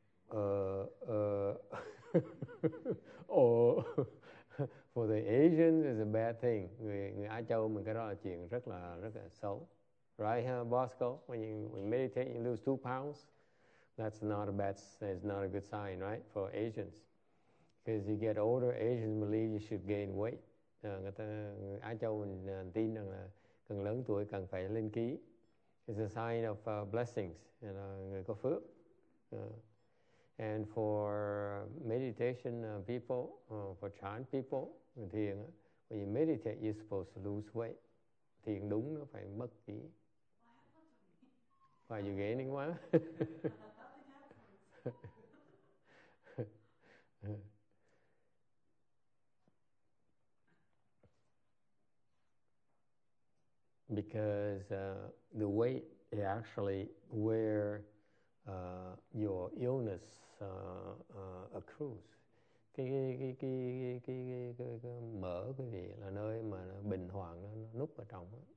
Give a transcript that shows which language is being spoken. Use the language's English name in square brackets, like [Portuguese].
[English] Or for the Asians, it's a bad thing. [Vietnamese] Người Á Châu mình cái đó là chuyện rất là xấu. [English] Right, huh, Bosco? When you meditate, you lose 2 pounds. That's not a bad, it's not a good sign, right, for Asians. Because you get older, Asians believe you should gain weight. [Vietnamese] Người ta, Á Châu mình tin rằng là càng lớn tuổi càng phải lên ký. [English] It's a sign of blessings, you know, [Vietnamese] người có phước. [English] And for meditation people, for chan people, thiền, when you meditate, you're supposed to lose weight. [Vietnamese] Thiền đúng, nó phải mất ký. [English] Why are you gaining one? Because the weight is actually where your illness accrues. [Vietnamese] Cái mỡ quý vị là nơi mà nó bình hoàng nó núp ở trong.